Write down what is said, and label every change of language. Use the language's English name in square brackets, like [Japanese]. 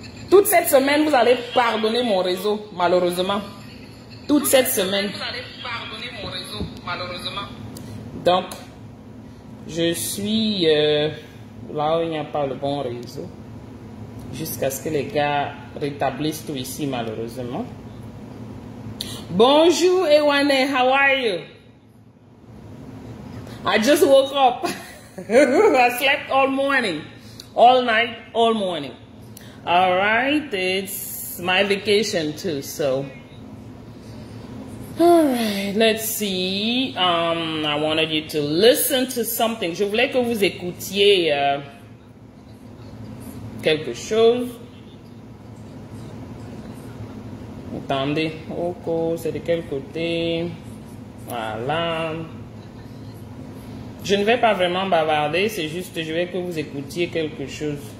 [French] Toute cette semaine, vous allez pardonner mon réseau, malheureusement. Toute cette semaine. Donc, je suis là où il n'y a pas le bon réseau. Jusqu'à ce que les gars rétablissent tout ici, malheureusement. Bonjour, [English] Ewane, how are you? I just woke up. I slept all morning. All night, all morning. All right, it's my vacation too, so. All right, let's see. I wanted you to listen to something. [French] Je voulais que vous écoutiez quelque chose. Attendez. Ok, c'est de quel côté? Voilà. Je ne vais pas vraiment bavarder, c'est juste je vais que vous écoutiez quelque chose.